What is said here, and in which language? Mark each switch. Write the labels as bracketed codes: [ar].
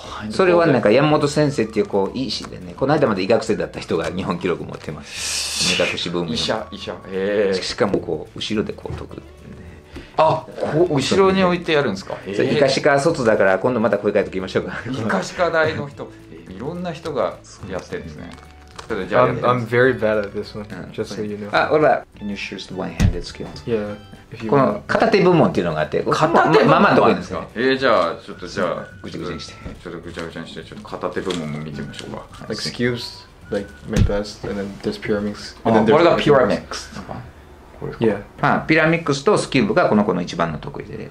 [ja] それはなんか山本先生っていうこう医師でね、この間まで医学生だった人が日本記録持ってます。目隠しブーム。医者。しかもこう後ろでこう解く。あ、こう後ろに置いてやるんですか。医科歯科卒だから今度また声かけておきましょうか。医科歯科大の人、いろんな人がやってるんですね。 [en] I'm very bad at this one, just so you know. [ja] あ、俺は。 [en] Can you choose the one-handed skill? Yeah. [ja] この片手部門っていうのがあって、片手部門まあまあ得意ですか。じゃあ、ちょっとじゃあ、ぐちゃぐちゃにして。ちょっとぐちゃぐちゃにして、ちょっと片手部門も見てみましょうか。 [en] Like skews, like my best, and then there's pyramids. [ja] これがピラミックス。 Yeah. まあ、ピラミックスとスキューブがこの子の一番の得意で。